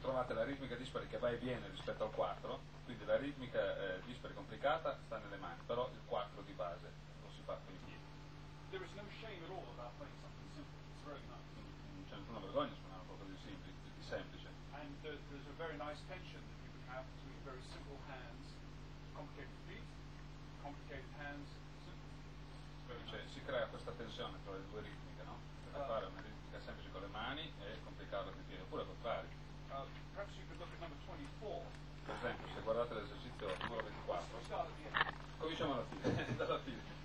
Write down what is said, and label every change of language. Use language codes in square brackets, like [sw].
[it] La ritmica dispari che va e viene rispetto al 4, quindi la ritmica dispari complicata sta nelle mani, però il 4 di base lo si fa con i piedi. [en] There is no shame at all about playing something simple, it's very nice. [it] Non c'è nessuna vergogna suonare qualcosa di semplice. [en] And there's a very nice tension that you can have between very simple hands, complicated feet, complicated hands, simple feet. [it] Cioè nice. Si crea questa tensione tra le due ritmiche, no? Per fare una ritmica semplice con le mani e complicarla con i piedi, oppure al contrario. [en] Perhaps you could look at number 24. [it] Per esempio, se guardate l'esercizio numero 24, cominciamo alla fine. Dalla fine.